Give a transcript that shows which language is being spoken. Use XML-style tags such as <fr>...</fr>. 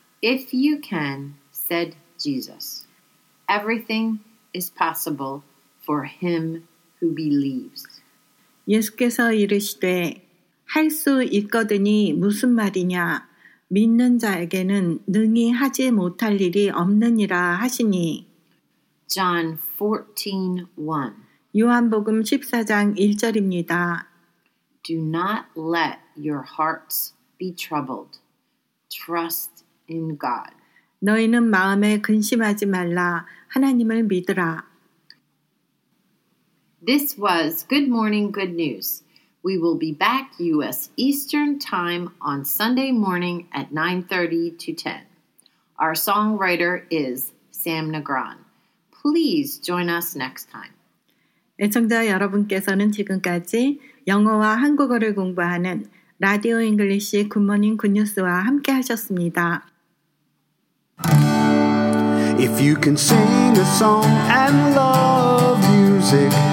<en>If you can, said Jesus, everything is possible for him who believes.</en> <ko>예수께서 이르시되 할 수 있거든이 무슨 말이냐 믿는 자에게는 능히 하지 못할 일이 없느니라 하시니</ko> <en>John 14:1.</en> <ko>요한복음 14장 1절입니다.</ko> <en>Do not let your hearts be troubled. Trust in God.</en> <ko>너희는 마음에 근심하지 말라. 하나님을 믿으라.</ko> <en>This was Good Morning Good News. We will be back U.S. Eastern Time on Sunday morning at 9:30 to 10. Our songwriter is Sam Negron. Please join us next time.</en> <ko>애청자 여러분께서는 지금까지 영어와 한국어를 공부하는 라디오 잉글리시 굿모닝 굿뉴스와 함께 하셨습니다.</ko> <en>If you can sing a song and love music</en>